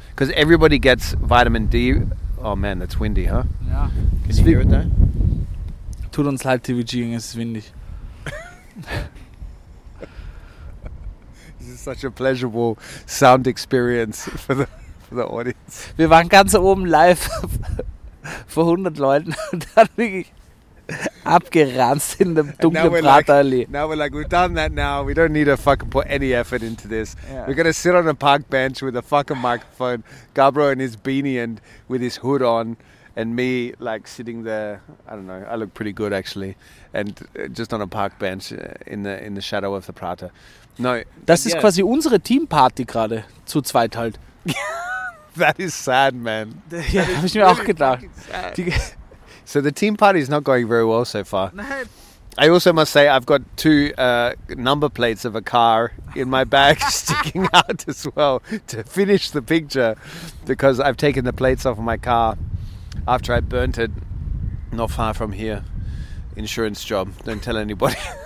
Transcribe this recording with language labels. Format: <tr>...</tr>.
<en>Because everybody gets vitamin D. Oh man, that's windy, huh? Yeah. Can you hear it there?</en> <de>Tut uns leid, TVG, es ist windig.</de> <en>This is such a pleasurable sound experience for the... The audience.</en> <de>Wir waren ganz oben live vor 100 Leuten und dann wirklich abgeranzt in der dunklen Praterallee.</de> <en>Now we're like, we've done that now. We don't need to fucking put any effort into this. Yeah. We're going to sit on a park bench with a fucking microphone, Gabro in his beanie and with his hood on and me like sitting there, I don't know, I look pretty good actually, and just on a park bench in the shadow of the Prater. No,</en> <de>das ist quasi unsere Teamparty gerade, zu zweit halt.</de> <en>That is sad, man.</en> <de>Ja, habe ich mir auch gedacht.</de> <en>So the team party is not going very well so far.</en> <de>Nein.</de> <en>I also must say, I've got 2 number plates of a car in my bag sticking out as well to finish the picture because I've taken the plates off of my car after I burnt it not far from here. Insurance job. Don't tell anybody.</en>